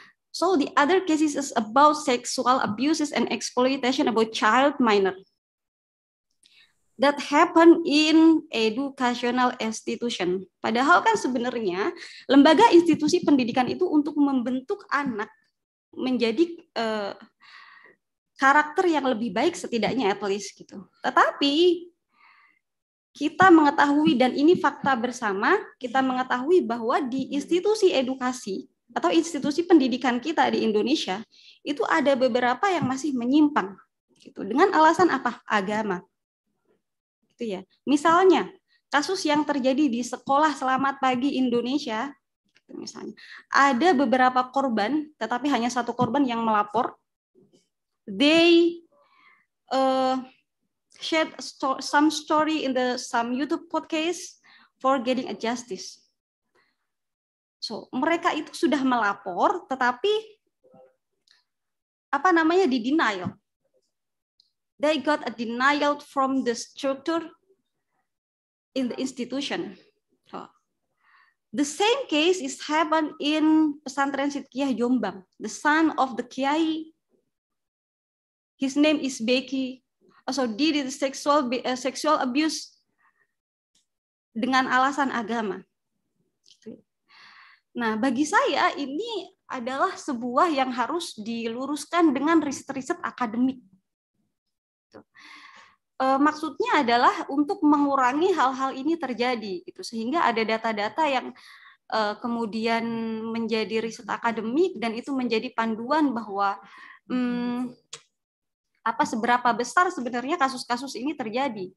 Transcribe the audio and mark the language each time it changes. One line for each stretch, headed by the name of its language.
English: So the other cases is about sexual abuses and exploitation about child minor that happen in educational institution.
Indonesian: Padahal kan sebenarnya lembaga institusi pendidikan itu untuk membentuk anak menjadi karakter yang lebih baik setidaknya
English: at least
Indonesian: gitu. Tetapi kita mengetahui dan ini fakta bersama, kita mengetahui bahwa di institusi edukasi atau institusi pendidikan kita di Indonesia itu ada beberapa yang masih menyimpang gitu. Dengan alasan apa? Agama. Gitu ya. Misalnya kasus yang terjadi di Sekolah Selamat Pagi Indonesia, misalnya ada beberapa korban, tetapi hanya satu korban yang melapor.
English: They shared some story in the some YouTube podcast for getting a justice.
Indonesian: So mereka itu sudah melapor, tetapi di denial.
English: They got a denial from the structure in the institution. The same case is happened in Pesantren Sidqiyah Jombang. The son of the Kiai, his name is Becky, also did the sexual abuse
Indonesian: dengan alasan agama. Nah, bagi saya ini adalah sebuah yang harus diluruskan dengan riset-riset akademik. Maksudnya adalah untuk mengurangi hal-hal ini terjadi, gitu. Sehingga ada data-data yang kemudian menjadi riset akademik dan itu menjadi panduan bahwa seberapa besar sebenarnya kasus-kasus ini terjadi.